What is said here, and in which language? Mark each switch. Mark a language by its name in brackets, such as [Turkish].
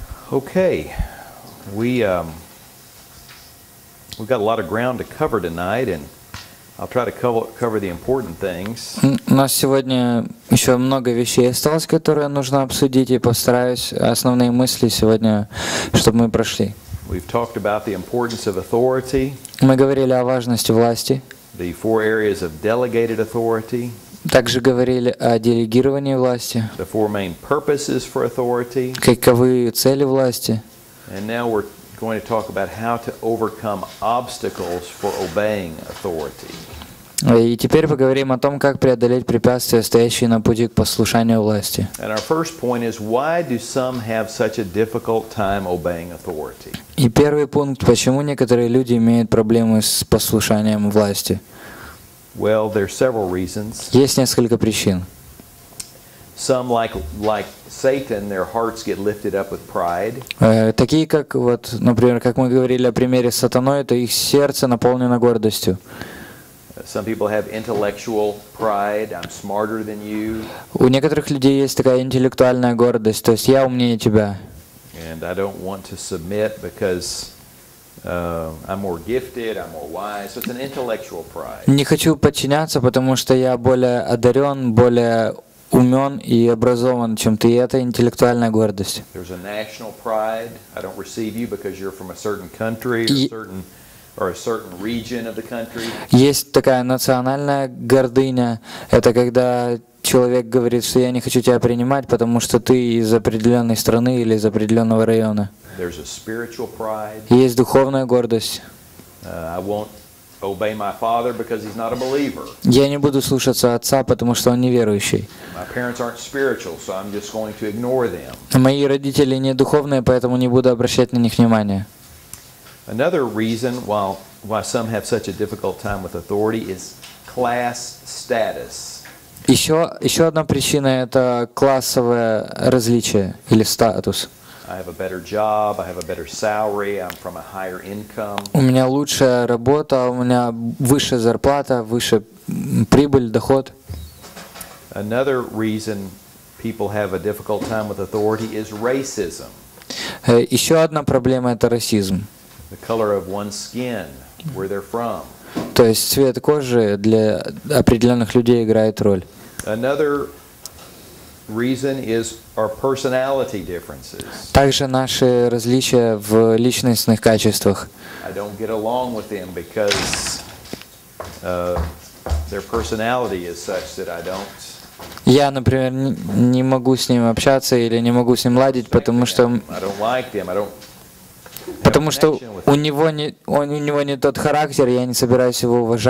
[English] Okay, we've got a lot of ground to cover tonight, and I'll try to cover the important things. [Russian] У нас сегодня еще много вещей осталось, которые нужно обсудить, и постараюсь основные мысли сегодня, чтобы мы прошли. [English] We've talked about the importance of authority. [Russian] Мы говорили о важности власти. [English] The four areas of delegated authority. [Russian] Также говорили о делегировании власти. [English] The four main purposes for authority. [Russian] Каковы цели власти? [English] And now we're going to talk about how to overcome obstacles for obeying authority. [Russian] И теперь поговорим о том, как преодолеть препятствия, стоящие на пути к послушанию власти. [English] And our first point is why do some have such a difficult time obeying authority? [Russian] И первый пункт, почему некоторые люди имеют проблемы с послушанием власти? [English] Well, there are several reasons. [Russian] Есть несколько причин. [English] Some like Satan, their hearts get lifted up with pride. [Russian] Такие как вот, например, как мы говорили о примере с сатаной, то их сердце наполнено гордостью. [English] Some people have intellectual pride. I'm smarter than you. [Russian] У некоторых людей есть такая интеллектуальная гордость, то есть я умнее тебя. [English] And I don't want to submit because I'm more gifted, I'm more wise. So it's an intellectual pride. [Russian] Не хочу подчиняться, потому что я более одарен, более умен и образован, чем ты. И это интеллектуальная гордость. [English] There's a national pride. I don't receive you because you're from a certain country or a certain region of the country. [Russian] Есть такая национальная гордыня. Это когда человек говорит, что я не хочу тебя принимать, потому что ты из определенной страны или из определенного района. [English] There's a spiritual pride. [Russian] Есть духовная гордость. [English] I won't obey my father because he's not a believer. [Russian] Я не буду слушаться отца, потому что он неверующий. [English] My parents aren't spiritual, so I'm just going to ignore them. [Russian] Мои родители не духовные, поэтому не буду обращать на них внимания. [English] Another reason why some have such a difficult time with authority is class status. [Russian] Еще одна причина – это классовое различие или статус. [English] I have a better job, I have a better salary, I'm from a higher income. [Russian] У меня лучшая работа, у меня выше зарплата, выше прибыль, доход. [English] Another reason people have a difficult time with authority is racism. [Russian] Еще одна проблема – это расизм. [English] The color of one's skin, where they're from. [Russian] То есть цвет кожи для определенных людей играет роль. [English] Another reason is our personality differences. [Russian] Также наши различия в личностных качествах. [English] I don't get along with them because their personality is such that I don't. [Russian] Я, например, не могу с ним общаться или не могу с ним ладить, потому что. [English] I don't like them. I don't. [Russian] Потому что у него не тот характер, я не собираюсь его